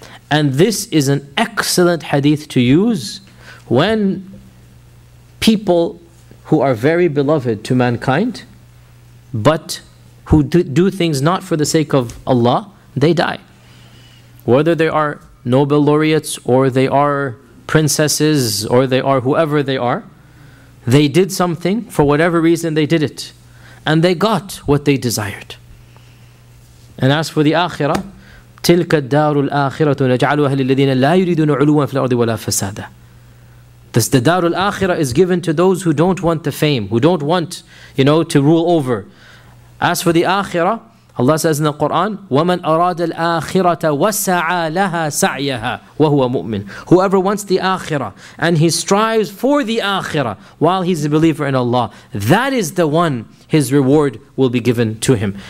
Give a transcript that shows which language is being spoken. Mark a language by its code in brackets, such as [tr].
[en] And this is an excellent hadith to use when people who are very beloved to mankind, but who do things not for the sake of Allah, they die. Whether they are Nobel laureates, or they are princesses, or they are whoever they are, they did something, for whatever reason they did it, and they got what they desired. And as for the Akhirah, [ar] تِلْكَ الدَّارُ الْآخِرَةُ نَجْعَلُهَا لِلَّذِينَ لَا يُرِيدُونَ عُلُوًا فِي الْأَرْضِ وَلَا فَسَادًا. [en] This, the Darul Akhirah is given to those who don't want the fame, who don't want, you know, to rule over. As for the Akhirah, Allah says in the Quran, [ar] وَمَنْ أَرَادَ الْآخِرَةَ وَسَعَى لَهَا سَعْيَهَا وَهُوَ مُؤْمِنٌ. [en] Whoever wants the Akhirah and he strives for the Akhirah while he's a believer in Allah, that is the one his reward will be given to him.